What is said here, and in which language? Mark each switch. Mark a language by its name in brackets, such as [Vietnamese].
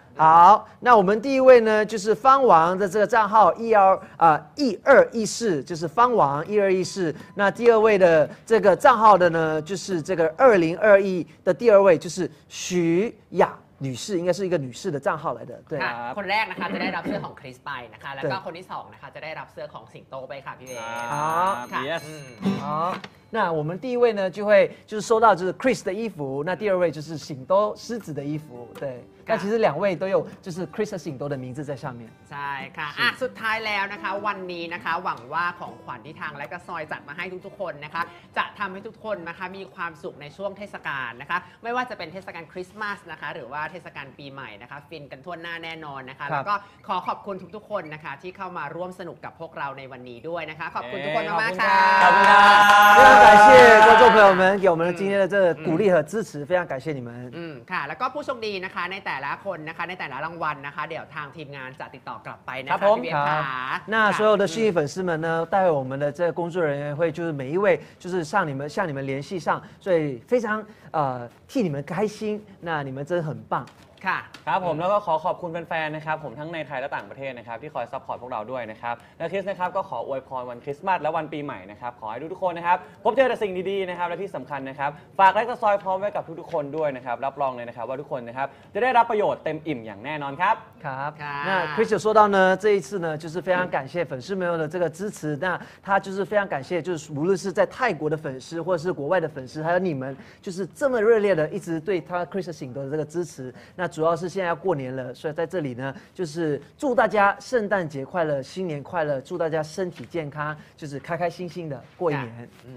[Chinese] 好，那我们第一位呢，就是方王的这个账号1214，就是方王1214。那第二位的这个账号的呢，就是这个2021的第二位，就是许雅。女士应该是一个女士的账号来的，对。 [Thai] คนแรกนะคะจะได้รับเสื้อของคริสไปนะคะแล้วก็คนที่สองนะคะจะได้รับเสื้อของสิงโตไปค่ะพี่เวฟ ครับ [English] yes [Thai] ครับ [Chinese] 那我们第一位呢就会就是收到就是 Chris 的衣服，那第二位就是醒多狮子的衣服，对。那其实两位都有就是 Chris 醒多的名字在上面。 [Thai] ใช่ค่ะอ่ะสุดท้ายแล้วนะคะวันนี้นะคะหวังว่าของขวัญที่ทางไลฟ์กระซอยจัดมาให้ทุกๆคนนะคะจะทำให้ทุกคนนะคะมีความสุขในช่วงเทศกาลนะคะไม่ว่าจะเป็นเทศกาลคริสต์มาสนะคะหรือว่าเทศกาลปีใหม่นะคะฟินกันทั่วหน้าแน่นอนนะคะแล้วก็ขอขอบคุณทุกๆคนนะคะที่เข้ามาร่วมสนุกกับพวกเราในวันนี้ด้วยนะคะขอบคุณทุกคนมากๆค่ะ ขอบคุณค่ะ [Chinese] 非常感谢观众朋友们给我们今天的这个鼓励和支持非常感谢你们 [Thai] ค่ะแล้วก็ผู้โชคดีนะคะในแต่ละคนนะคะในแต่ละรางวัลนะคะเดี๋ยวทางทีมงานจะติดต่อกลับไปนะคะ พี่เบียร์ค่ะน่า [Chinese] 所有的幸运粉丝们呢待会我们的这个工作人员会就是每一位就是向你们联系上所以非常替你们开心那你们真的很棒 [Thai] ค่ะ ครับผมแล้วก็ขอขอบคุณแฟนๆนะครับผมทั้งในไทยและต่างประเทศนะครับที่คอยซัพพอร์ตพวกเราด้วยนะครับและคริสนะครับก็ขออวยพรวันคริสต์มาสและวันปีใหม่นะครับขอให้ทุกๆคนนะครับพบเจอแต่สิ่งดีๆนะครับและที่สำคัญนะครับฝากไลฟ์สอยพร้อมไว้กับทุกๆคนด้วยนะครับรับรองเลยนะครับว่าทุกคนนะครับจะได้รับประโยชน์เต็มอิ่มอย่างแน่นอนครับ ครับนะคริส [Chinese] 说到呢这一次呢就是非常感谢粉丝们的这个支持那他就是非常感谢就是无论是在泰国的粉丝或者是国外的粉丝还有你们就是这么热烈的一直对他 Chris 醒多的这个支持那主要是现在要过年了，所以在这里呢，就是祝大家圣诞节快乐，新年快乐，祝大家身体健康，就是开开心心的过一年。